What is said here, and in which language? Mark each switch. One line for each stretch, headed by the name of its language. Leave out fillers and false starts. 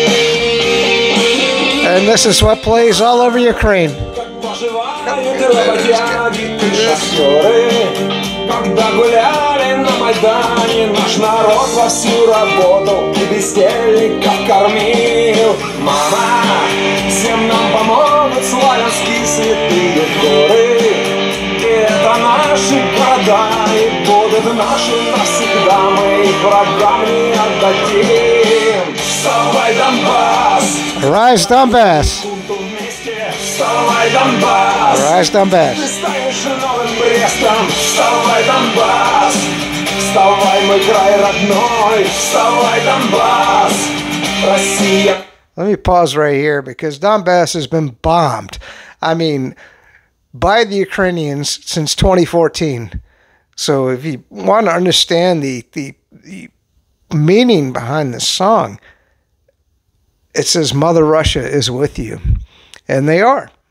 English: And this is what plays all over Ukraine.
Russian: Когда гуляли на Майдане, наш народ во всю работу и бездельников кормил. Мама, всем нам помогут славянские святые горы. И это наши города, и будут наши навсегда. Мы их врагам не отдадим. Вставай, Донбасс!
English: Rise, Донбасс!
Russian: Вставай, Донбас! Вставай, Донбас! Вставай, мой край родной! Вставай, Донбас! Россия!
English: Let me pause right here because Donbass has been bombed. I mean, by the Ukrainians since 2014. So if you want to understand the meaning behind this song, it says Mother Russia is with you. And they are.